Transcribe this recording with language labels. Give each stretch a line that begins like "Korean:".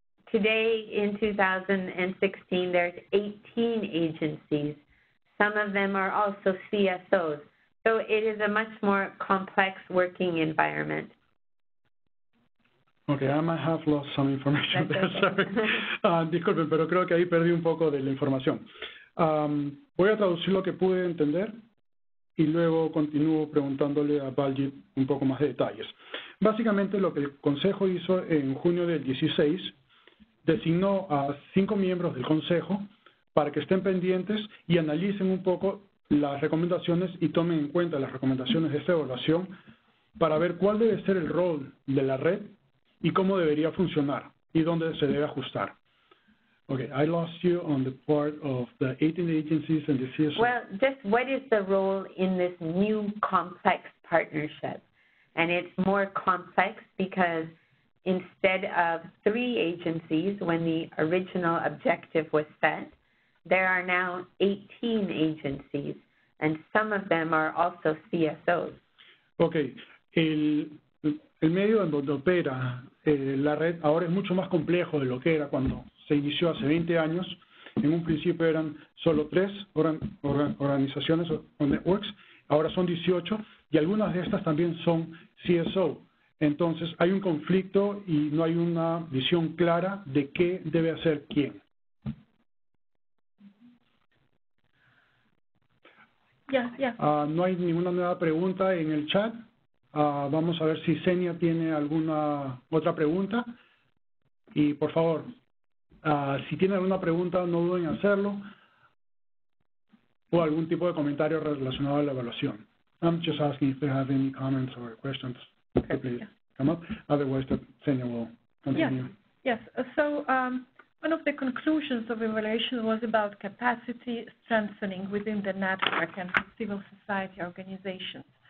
English: Today, in 2016, there's 18 agencies. Some of them are also CSOs. So it is a much more complex working environment. Okay, I might have lost some information. That's there, okay. Sorry.
Spanish: Disculpen, pero creo que ahí perdí un poco de la información. Voy a traducir lo que pude entender y luego continúo preguntándole a Balji un poco más de detalles. Básicamente, lo que el Consejo hizo en junio del 16, designó a 5 miembros del Consejo para que estén pendientes y analicen un poco las recomendaciones y tomen en cuenta las recomendaciones de esta evaluación para ver cuál debe ser el rol de la red y cómo debería funcionar y dónde se debe ajustar.
English: Okay, I lost you on the part of the 18 agencies and the CSOs. Well, just what is the role in this new complex partnership? And it's more complex because instead of 3 agencies when the original objective was set, there are now 18 agencies. and some of them are also CSOs. Okay.
Spanish: El medio en donde opera la red ahora es mucho más complejo de lo que era cuando se inició hace 20 años. En un principio eran solo tres organizaciones o networks, ahora son 18 y algunas de estas también son CSO. Entonces, hay un conflicto y no hay una visión clara de qué debe hacer quién. No hay ninguna nueva pregunta en el chat. Vamos a ver si Zenia tiene alguna otra pregunta. Y, por favor, si tiene alguna pregunta, no duden en hacerlo. O algún tipo de comentario relacionado a la evaluación.
English: I'm just asking if they have any comments or questions. Come up. Otherwise, the Zenia will continue. Yes. So, one of the conclusions of evaluation was about capacity strengthening within the network and civil society organizations.